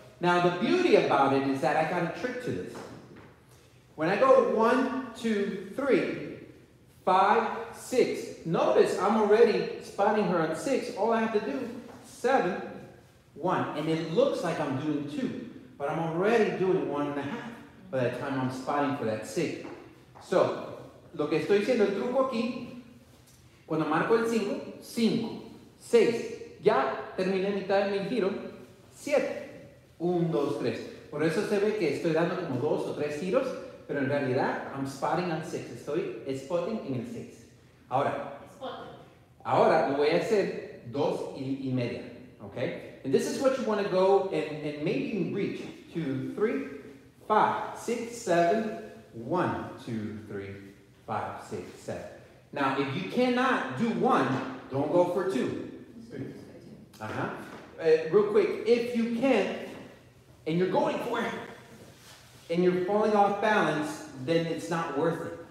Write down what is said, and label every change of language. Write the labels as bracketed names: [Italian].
[English] Now, the beauty about it is that I got a trick to this. When I go one, two, three, five, six, notice I'm already spotting her on six. All I have to do, seven, one. And it looks like I'm doing two, but I'm already doing one and a half by the time I'm spotting for that six. [Spanish] So, lo que estoy diciendo, el truco aquí, cuando marco el cinco, cinco, seis, ya terminé mitad de mi giro, siete, un, dos, tres. Por eso se ve que estoy dando como dos o tres giros, pero en realidad, [English] I'm spotting on six. [Spanish] Estoy spotting en el six. Ahora, ahora lo voy a hacer dos y media, okay? [English] And this is what you want to go and maybe you can reach. Two, three, five, six, seven, one, two, three, five, six, seven. Now, if you cannot do one, don't go for two. Real quick, if you can, and you're going for it, and you're falling off balance, then it's not worth it.